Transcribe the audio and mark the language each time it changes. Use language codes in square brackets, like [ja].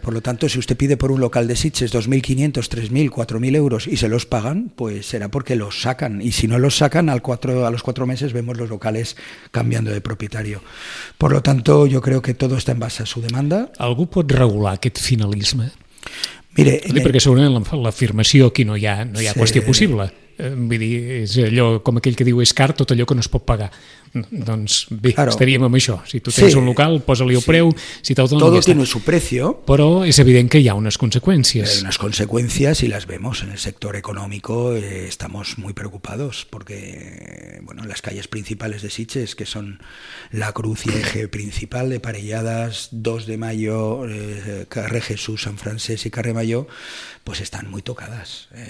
[es] Por lo tanto, si usted pide por un local de Sitges 2.500, 3.000, 4.000 euros y se los pagan, pues será porque los sacan. Y si no los sacan, a los cuatro meses vemos los locales cambiando de propietario. Por lo tanto, yo creo que todo está en base a su demanda. [ca] ¿Algú pot regular aquest finalisme? [es] Mire, [ca] perquè segurament l'afirmació aquí no hi ha qüestió possible. Vull dir, és allò com aquell que diu és car tot allò que no es pot pagar. Doncs bé, claro. Estaríem amb això. Si tu tens un local, posa-li el preu. Si te'l donen, [es] todo tiene su precio. [ca] Però és evident que hi ha unes conseqüències. [es] Hay unas consecuencias y las vemos en el sector económico. Estamos muy preocupados porque, bueno, las calles principales de Sitges, que son la cruz y eje principal de Parelladas, 2 de Mayo, Carre Jesús, San Francés y Carre Mayo, pues están muy tocadas.